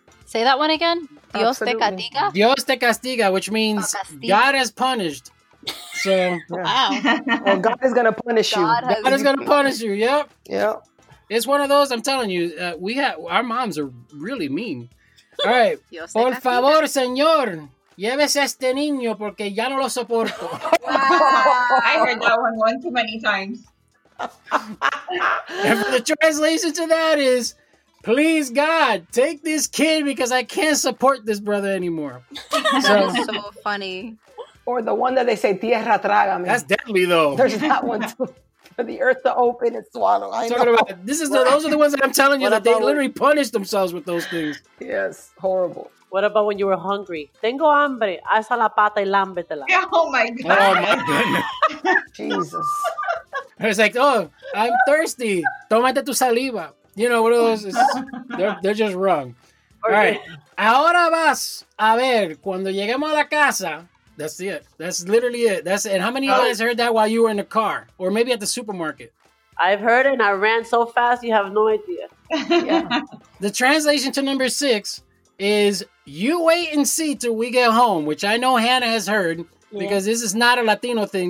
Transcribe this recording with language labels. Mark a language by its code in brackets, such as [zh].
[en] Say that one again. [es] Dios te castiga. Dios te castiga, [en] which means God has punished. So, wow. Well, God is going to punish you. God is going to punish you. Yep. Yep. It's one of those, I'm telling you, our moms are really mean. All right. [es] Por favor, señor, llévese este niño porque ya no lo soporto. [en] I heard that one too many times. And the translation to that is, please, God, take this kid because I can't support this brother anymore. That is so funny. Or the one that they say, [es] tierra trágame. [en] That's deadly, though. There's that one, too. For the earth to open and swallow. Those are the ones that I'm telling you that they literally punish themselves with those things. Yes, horrible. What about when you were hungry? [es] Tengo hambre. Asa la pata y lámbetela. [en] Oh, my God. Oh, my goodness. Jesus. It's like, oh, I'm thirsty. [es] Tómate tu saliva. [en] You know, what are those? They're just wrong. All right. [es] Ahora vas a ver cuando lleguemos a la casa. [en] That's it. That's literally it. That's it. And how many of you guys heard that while you were in the car or maybe at the supermarket? I've heard it and I ran so fast, you have no idea. Yeah. The translation to number 6 is you wait and see till we get home, which I know Hannah has heard because this is not a Latino thing.